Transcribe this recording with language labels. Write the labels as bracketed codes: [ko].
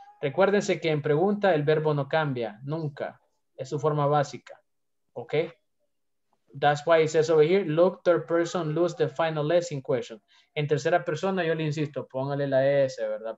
[es] Recuérdense que en pregunta el verbo no cambia, nunca. Es su forma básica, ¿ok? [en] That's why it says over here, look, third person, lose the final S in question. [es] En tercera persona, yo le insisto, póngale la S, ¿verdad?